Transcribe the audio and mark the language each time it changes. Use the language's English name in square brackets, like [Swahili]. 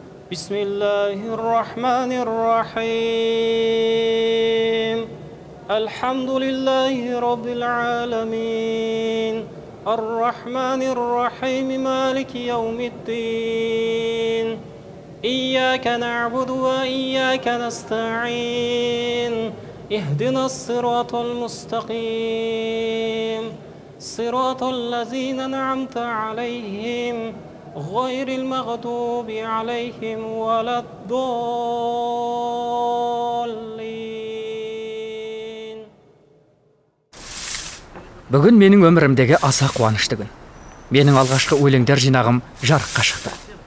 [Arabic] Бисмиллахир рахманир рахим. Алхамдулиллахи раббил аламин. Ар-рахманир рахим, малики яумиддин. إياك نعبد وإياك نستعين اهدنا الصراط المستقيم صراط الذين أنعمت عليهم غير المغضوب عليهم ولا الضالين. [Kazakh] Бүгін менің өмірімдегі аса қуанышты күн. Менің алғашқы өлеңдер жинағым жарыққа шықты.